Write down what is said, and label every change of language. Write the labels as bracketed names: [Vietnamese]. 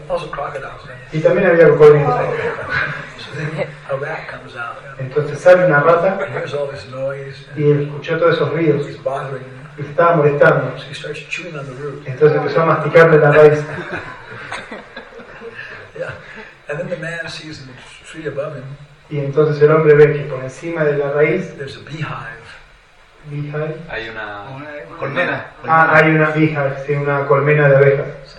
[English] Also crocodiles. Right? [Spanish] Y también había cocodrilos. [English] So then a rat comes out. [Spanish] Entonces sale una rata. [English] Hears all this noise. [Spanish] Y él escuchó todos esos ruidos. [English] He's bothering. [Spanish] Y estaba molestando. [English] So he starts chewing on the root. [Spanish] Entonces empezó a masticarle la raíz. [English] And then the man sees the tree above him. [Spanish] Y entonces el hombre ve que por encima de la raíz. [English] There's a beehive. Beehive. [Spanish] Hay una colmena. Ah, hay una beehive, sí, una colmena de abejas.